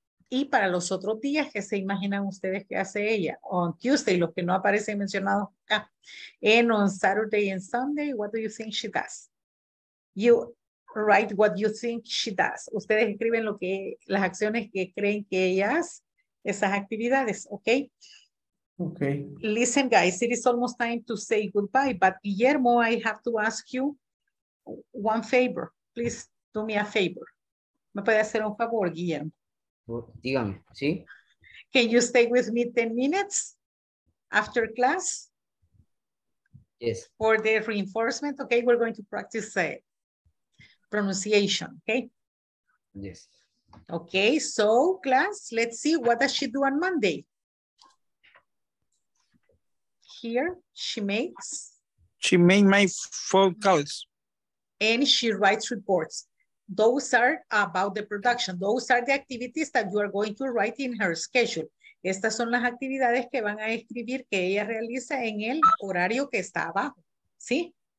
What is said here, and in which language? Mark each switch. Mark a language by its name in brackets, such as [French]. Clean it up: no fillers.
[Spanish] Y para los otros días, ¿qué se imaginan ustedes que hace ella? [English] On Tuesday, [Spanish] los que no aparecen mencionados acá. [English] And on Saturday and Sunday, what do you think she does? You write what you think she does. [Spanish] Ustedes escriben lo que, las acciones que creen que ella hace, esas actividades, ¿ok? [English] Ok. Listen, guys, it is almost time to say goodbye, but Guillermo, I have to ask you one favor. Please do me a favor. [Spanish] ¿Me puede hacer un favor, Guillermo? Dígame, ¿sí? [English] Can you stay with me 10 minutes after class? Yes. For the reinforcement, okay, we're going to practice the pronunciation, okay? Yes. Okay, so class, let's see, what does she do on Monday? Here, She made my phone calls. And she writes reports. those are about the production. Those are the activities that you are going to write in her schedule. [Spanish] Estas son las actividades que van a escribir que ella realiza en el horario que está abajo, ¿sí?